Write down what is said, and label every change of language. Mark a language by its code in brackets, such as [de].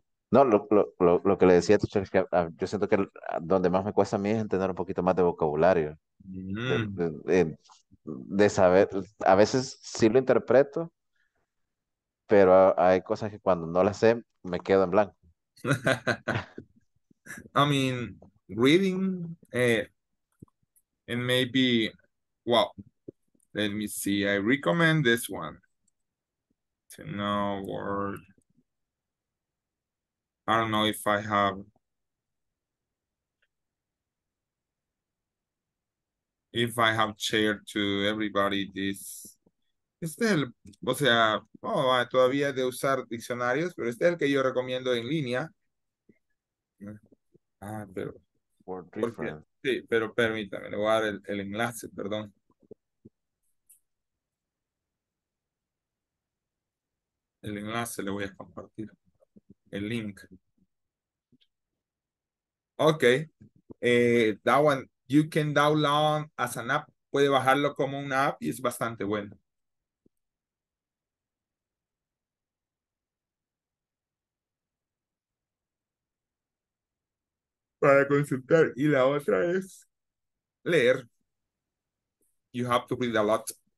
[es] No, lo que le decía a tu chef es que yo siento que donde más me cuesta a mí es entender un poquito más de vocabulario. De saber, a veces sí lo interpreto, pero hay cosas que cuando no las sé, me quedo en blanco. [en] I mean, reading, and maybe, well, let me see, I recommend this one. To know word. I don't know if I have, shared to everybody this. [es] Este es el, o sea, todavía de usar diccionarios, pero este es el que yo recomiendo en línea. Pero. [en] Word reference. [es] Sí, pero permítame, le voy a dar el enlace, perdón. El enlace le voy a compartir, el link. [en] Okay. That one, you can download as an app. [es] Puede bajarlo como una app y es bastante bueno. Para consultar. Y la otra es leer. [en] You have to read a lot.